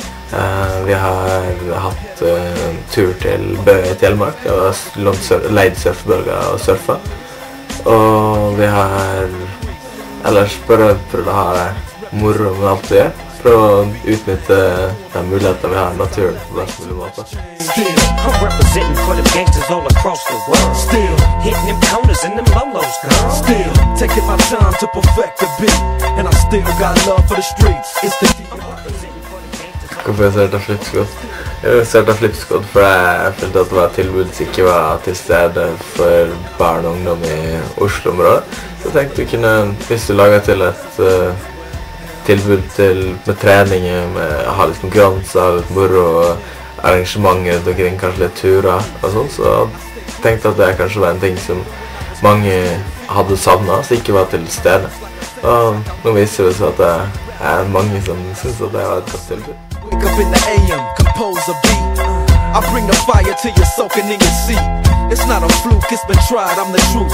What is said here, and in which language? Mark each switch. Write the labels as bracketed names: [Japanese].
[Norwegian] Vi har hatt tur til Bøy i Telemark og leid surfbølger og surfa. Og vi har ellers prøvd å ha moro med alt vi gjør. Prøv å utnytte de mulighetene vi har i naturen på best mulig måte. [English] I'm representing for the gangsters all across the world. Still hitting them counters in them lolos, girl. Still taking my time to perfect the beat. And I still got love for the streets. It's the... [Norwegian] Hvorfor jeg startet Flipskodd? Jeg startet Flipskodd fordi jeg følte at det var tilbud som ikke var til stede for barn og ungdom i Oslo-området. Så jeg tenkte kunne, hvis du laget til et tilbud til, med trening, med å ha litt konkurranser, litt moro, arrangementer rundt omkring, kanskje litt turer og sånn, så tenkte jeg at det kanskje var en ting som mange hadde savnet, som ikke var til stede. Og nå viser det seg at det er mange som synes at det var et godt tilbud. [English] Wake up in the AM, compose a beat. I bring the fire till you're soaking in your seat. It's not a fluke, it's been tried, I'm the truth.